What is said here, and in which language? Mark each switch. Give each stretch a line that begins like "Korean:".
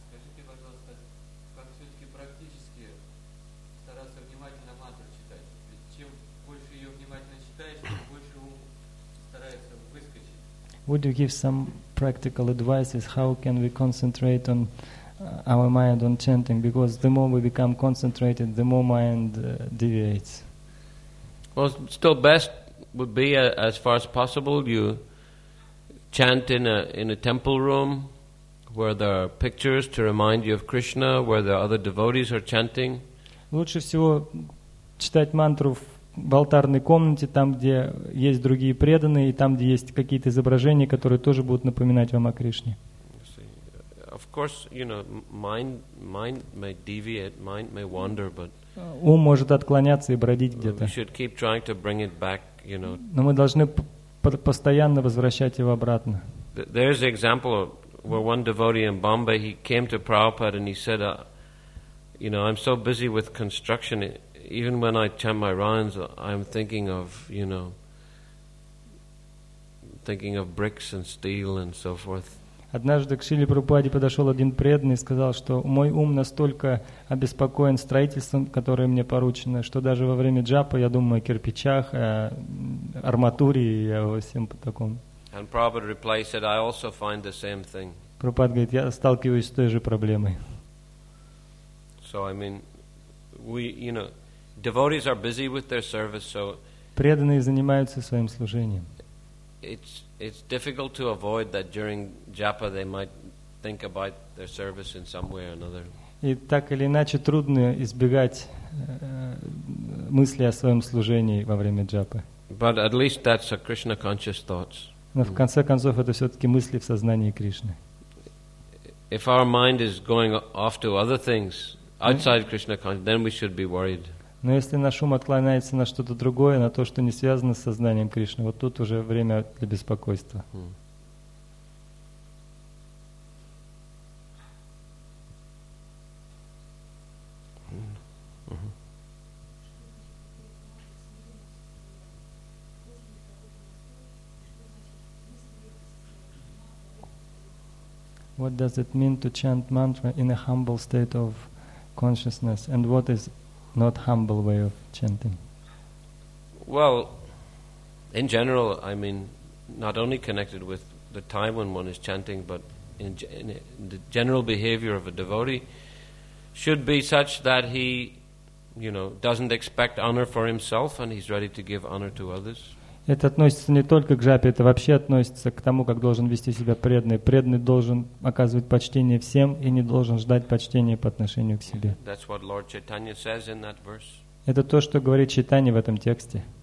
Russian: Скажите, пожалуйста, как все-таки практически стараться внимательно мантру читать? Ведь чем больше ее внимательно читаешь, тем больше ум старается выскочить.
English: Would you give some practical advice is how can we concentrate on our mind on chanting, because the more we become concentrated, the more mind deviates. Well, still best would be as far as possible you chant in a temple room where there are pictures to remind you of Krishna, where the other devotees are chanting.
Russian: Лучше всего читать мантру в алтарной комнате, там, где есть другие преданные, и там, где есть какие-то изображения, которые тоже будут напоминать вам о Кришне.
English: Of course, you know, mind may deviate, mind may wander, but
Russian: ум может отклоняться и бродить где-то.
English: We should keep trying to bring it back, you know.
Russian: Но мы должны постоянно возвращать его обратно.
English: There is an example where one devotee in Bombay, he came to Prabhupada and he said, you know, I'm so busy with construction. Even when I chant my rounds, I'm thinking of, you know, thinking of bricks and steel and so forth.
Russian: Однажды к Шриле Прабхупаде подошел один преданный и сказал, что мой ум настолько обеспокоен строительством, которое мне поручено, что даже во время джапа я думаю о кирпичах, о арматуре и о всем таком.
English: And Prabhupada replied, said, I also find the same thing.
Russian: Прабхупада говорит, я сталкиваюсь с той же проблемой.
English: So, I mean, we, you know, devotees are busy with their service, so
Russian: преданные занимаются своим служением.
English: It's difficult to avoid that during japa they might think about their service in some way or another.
Russian: И так или иначе трудно избегать мысли о своем служении во время джапы.
English: But at least that's a Krishna conscious thoughts.
Russian: Но в конце концов это все-таки мысли в сознании Кришны.
English: If our mind is going off to other things outside Krishna consciousness, then we should be worried.
Russian: Но если наш ум отклоняется на что-то другое, на то, что не связано с сознанием Кришны, вот тут уже время для беспокойства.
English: What does it mean to chant mantra in a humble state of consciousness? And what is not humble way of chanting? Well, In general, I mean, not only connected with the time when one is chanting, but in the general behavior of a devotee should be such that he, you know, doesn't expect honor for himself and he's ready to give honor to others.
Russian: Это относится не только к джапе, это вообще относится к тому, как должен вести себя преданный. Преданный должен оказывать почтение всем и не должен ждать почтения по отношению к себе.
English: That's what Lord Chaitanya says in that verse.
Russian: Это то, что говорит Чайтанья в этом тексте.